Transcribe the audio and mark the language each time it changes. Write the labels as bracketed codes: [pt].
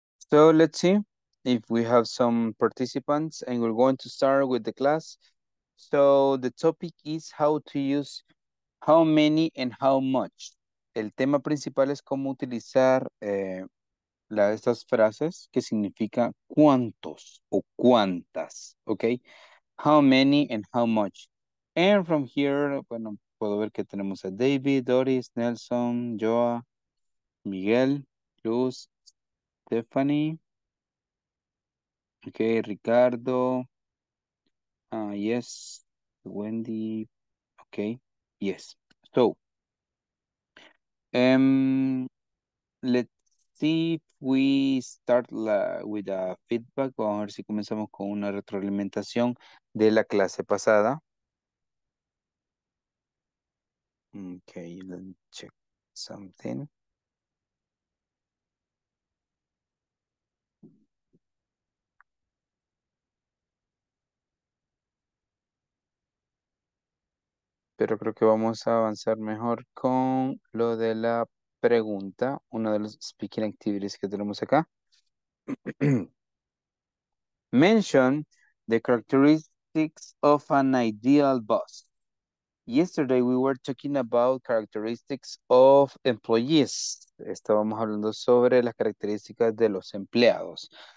[en] So let's see if we have some participants, and we're going to start with the class. So the topic is how to use how many and how much. [es] El tema principal es cómo utilizar estas frases que significa cuántos o cuántas, okay? [en] How many and how much. And from here, [es] bueno, puedo ver que tenemos a [en] David, Doris, Nelson, Joa, Miguel, Luz, Stephanie, okay, Ricardo, yes, Wendy, okay, yes. So, let's see if we start with a feedback. [es] Vamos a ver si comenzamos con una retroalimentación de la clase pasada. [en] Okay, let me check something. [es] Pero creo que vamos a avanzar mejor con lo de la pregunta, una de las [en] speaking activities [es] que tenemos acá. [en] Mention the characteristics of an ideal boss. Yesterday we were talking about characteristics of employees. [es] Estábamos hablando sobre las características de los empleados.